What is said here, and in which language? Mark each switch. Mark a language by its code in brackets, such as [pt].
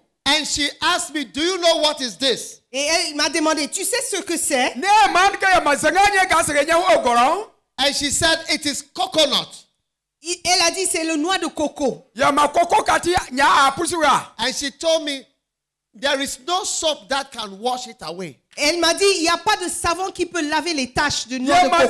[en] And she asked me, do you know what is this? [fr] Et elle m'a demandé, tu sais ce que c'est? [en] And she said, it is coconut. [fr] Elle a dit c'est le noix de coco. [en] And she told me there is no soap that can wash it away. [fr] Elle m'a dit il y a pas de savon qui peut laver les taches de noix de